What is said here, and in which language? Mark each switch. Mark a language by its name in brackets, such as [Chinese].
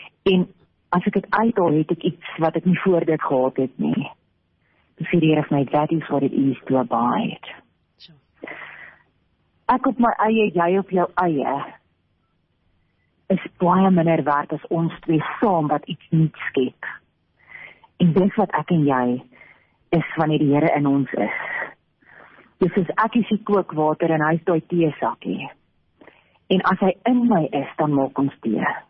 [Afrikaans] En as ek het uithaal, het ek iets wat ek nie voor dit gehad het nie. Dus die Here vir my, [English] that is what it is to abide. [Afrikaans] Ek op my eie, jy op jou eie, is baie minder waard as ons twee saam wat iets nie skep. En dis wat ek en jy is wanneer die Here in ons is. Dis soos ek is die kookwater en hy is die theesakkie. En as hy in my is, dan maak ons thee.